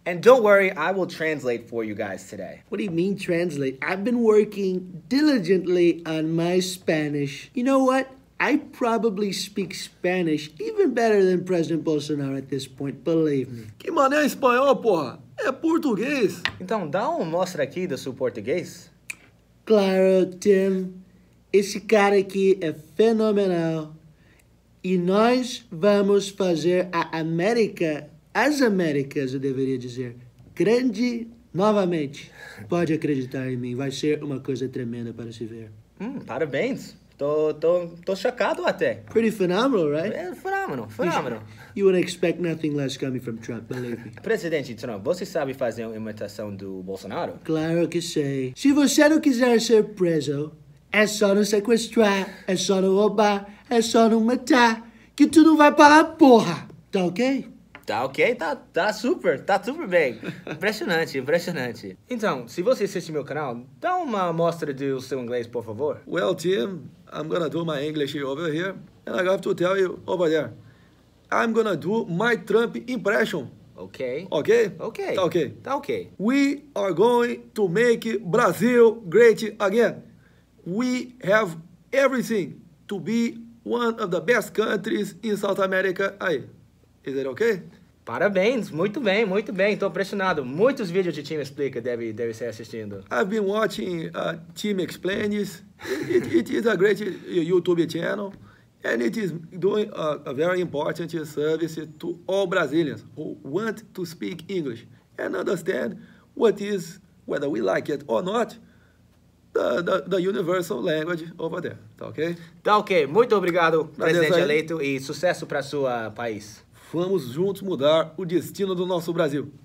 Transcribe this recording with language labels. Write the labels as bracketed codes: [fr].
[en] And don't worry, I will translate for you guys today. What do you mean translate? I've been working diligently on my Spanish. You know what? I probably speak Spanish even better than President Bolsonaro at this point, believe me. [pt] Que mané é espanhol, porra? É português. Então, dá uma mostra aqui do seu português. Claro, Tim. Esse cara aqui é fenomenal. E nós vamos fazer a América, as Américas, eu deveria dizer, grande novamente. Pode acreditar em mim, vai ser uma coisa tremenda para se ver. Parabéns. Tô chocado até. [en] Pretty phenomenal, right? É, phenomenal, phenomenal. You wouldn't expect nothing less coming from Trump, believe me. [pt] Presidente Trump, você sabe fazer uma imitação do Bolsonaro? Claro que sei. Se você não quiser ser preso, é só não sequestrar, é só não roubar, é só não matar, que tu não vai parar porra. Tá ok? Tá ok, tá super bem. Impressionante, impressionante. Então, se você assiste meu canal, dá uma amostra do seu inglês, por favor. [en] Well, Tim, I'm gonna do my English over here, and I have to tell you over there. I'm gonna do my Trump impression. Okay. Okay? Okay. [pt] Tá ok. Tá ok. [en] We are going to make Brazil great again. We have everything to be one of the best countries in South America aí. Is it okay? [pt] Parabéns, muito bem, muito bem. Tô impressionado. Muitos vídeos de Team Explica deve ser assistindo. [en] I've been watching Team Explains. It is a great YouTube channel. And it is doing a very important service to all Brazilians who want to speak English and understand what is, whether we like it or not, the universal language over there. [pt] Tá ok? Tá ok. Muito obrigado, presidente eleito, e sucesso para seu país. Vamos juntos mudar o destino do nosso Brasil.